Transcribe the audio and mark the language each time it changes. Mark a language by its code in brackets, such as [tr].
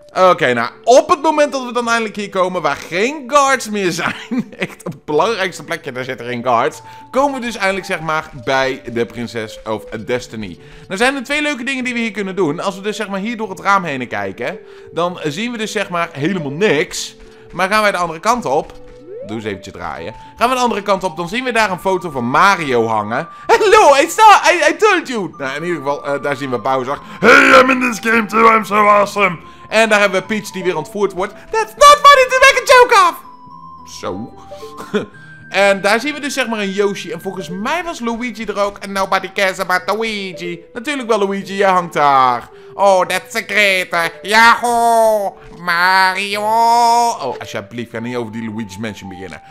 [nl] Oké, nou, op het moment dat we dan eindelijk hier komen, waar geen guards meer zijn, echt op het belangrijkste plekje, daar zitten geen guards, komen we dus eindelijk, zeg maar, bij de Princess of Destiny. Nou, zijn er twee leuke dingen die we hier kunnen doen. Als we dus, zeg maar, hier door het raam heen kijken, dan zien we dus, zeg maar, helemaal niks. Maar gaan wij de andere kant op, doe eens eventjes draaien, gaan we de andere kant op, dan zien we daar een foto van Mario hangen. [en] Hello, I told you! [nl] Nou, in ieder geval, daar zien we Bowser. [en] Hey, I'm in this game too, I'm so awesome! [nl] En daar hebben we Peach die weer ontvoerd wordt. [en] That's not funny to make a joke of! [nl] Zo. En daar zien we dus zeg maar een Yoshi. En volgens mij was Luigi er ook. [en] And nobody cares about Luigi. [nl] Natuurlijk wel Luigi, jij hangt daar. [en] Oh, that's a great. [nl] Yahoo! Mario! Oh, alsjeblieft, ga niet over die Luigi's Mansion beginnen.